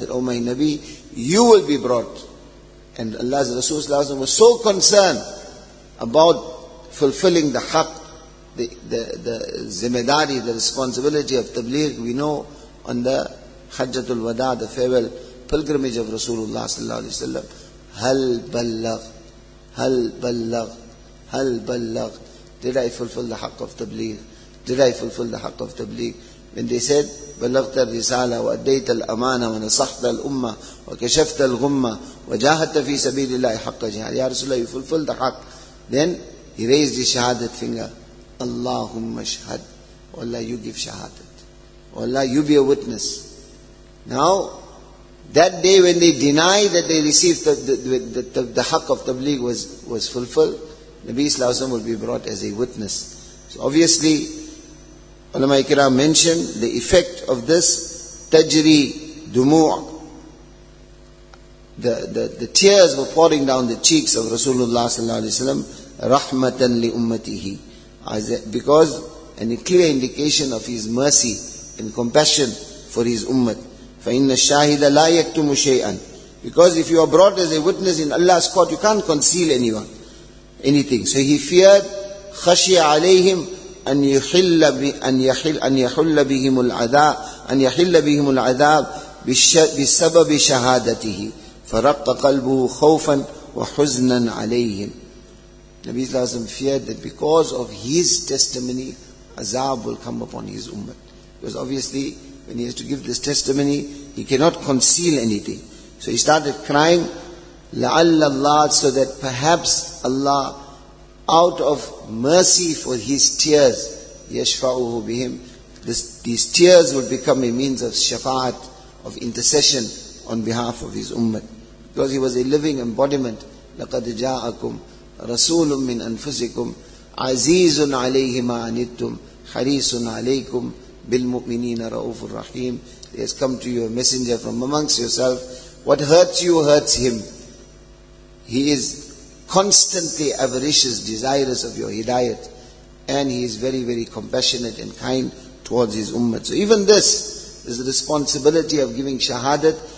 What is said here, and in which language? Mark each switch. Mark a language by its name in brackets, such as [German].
[English] That, O my Nabi, you will be brought. And Allah's Rasul was so concerned about fulfilling the haqq, the zimedari, the responsibility of tabligh. We know on the Hajjatul Wada, the farewell pilgrimage of Rasulullah sallallahu alayhi wa sallam, [Arabic] hal ballagh, hal ballagh, hal ballagh. [English] Did I fulfill the haqq of tabligh? Did I fulfill the haqq of tabligh? When they said, [Arabic] بَلَغْتَ الرِّسَالَةَ وَأَدَّيْتَ الْأَمَانَةَ وَنَصَحْتَ الْأُمَّةَ وَكَشَفْتَ الْغُمَّةَ وَجَاهَدْتَ فِي سَبِيلِ اللَّهِ حَقَّ جِهَادٍ. [English] Ya Rasulullah, you fulfilled the haqq. Then he raised his shahadat finger. [Arabic] Allahumma shahad. [English] Oh Allah, you give shahadat. Oh Allah, you be a witness. Now, that day when they deny that they received the haqq of tabligh was fulfilled, Nabi Sallallahu Alaihi Wasallam will be brought as a witness. So obviously, Ulama Ikram mentioned the effect of this [Arabic] tajri dumu'. [English] The tears were pouring down the cheeks of Rasulullah sallallahu alaihi wasallam, [Arabic] rahmatan li ummatihi, [English] because a clear indication of his mercy and compassion for his ummah. [Arabic] فَإِنَّ الشَّاهِدَ لَا يَكْتُمُ شَيْئًا, [English] because if you are brought as a witness in Allah's court, you can't conceal anyone, anything. So he feared, [Arabic] خَشِيَ عَلَيْهِمْ أَنْ يَحِلَّ بِهِمُ الْعَذَابِ بِسَبَبِ شَهَادَتِهِ فَرَقَّ قَلْبُهُ خَوْفًا وَحُزْنًا عَلَيْهِمْ. [English] Nabi Sallallahu Alaihi Wasallam feared that because of his testimony, azab will come upon his ummah. Because obviously, when he has to give this testimony, he cannot conceal anything. So he started crying, [Arabic] لَعَلَّ اللَّهُ, [English] so that perhaps Allah, out of mercy for his tears, [Arabic] يَشْفَعُهُ بِهِمْ, [English] these tears will become a means of shafa'at, of intercession on behalf of his ummah. Because he was a living embodiment, [Arabic] لَقَدْ جَاءَكُمْ رَسُولٌ مِّنْ أَنفُسِكُمْ عَزِيزٌ عَلَيْهِ مَا عَنِدْتُمْ حَرِيصٌ عَلَيْكُمْ بِالْمُؤْمِنِينَ رَؤُوفُ الرَّحِيمُ. [English] He has come to you, a messenger from amongst yourself. What hurts you hurts him. He is constantly avaricious, desirous of your hidayat. And he is very, very compassionate and kind towards his ummah. So even this is the responsibility of giving shahadat.